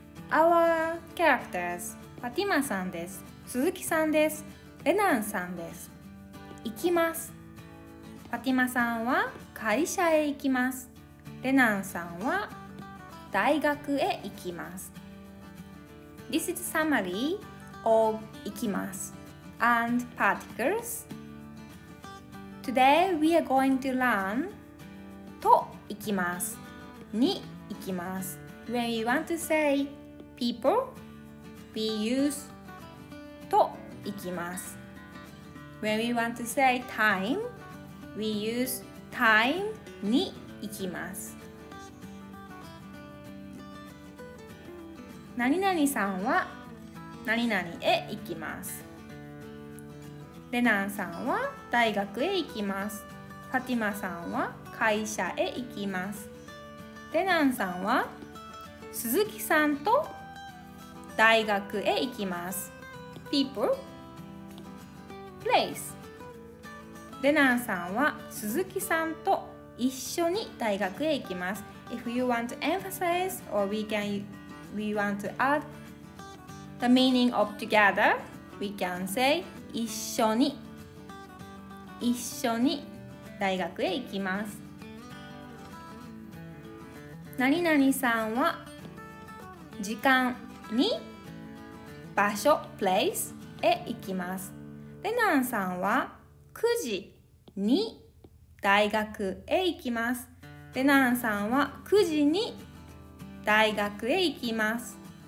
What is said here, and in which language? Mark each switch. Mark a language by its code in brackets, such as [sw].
[en] Our characters [ja] ファティマさんです。鈴木さんです。レナンさんです。行きます。ファティマさんは会社へ行きます。レナンさんは大学へ行きます。 [en] This is summary of [ja] 行きます [en] And particles. Today we are going to learn [ja] と行きます、に行きます。 [en] When we want to say people, we use [ja] と行きます。 [en] When we want to say time, we use time [ja] に行きます。何々さんは何々へ行きます。レナンさんは大学へ行きます。ファティマさんは会社へ行きます。レナンさんは鈴木さんと大学へ行きます。 [en] People, place. [ja] レナンさんは鈴木さんと一緒に大学へ行きます。 [en] If you want to emphasize or we want to add the meaning of together, we can say [ja] 一緒に、一緒に大学へ行きます。何々さんは時間に場所、place へ行きます。レナンさんは9時に大学へ行きます。レナンさんは9時に大学へ行きます。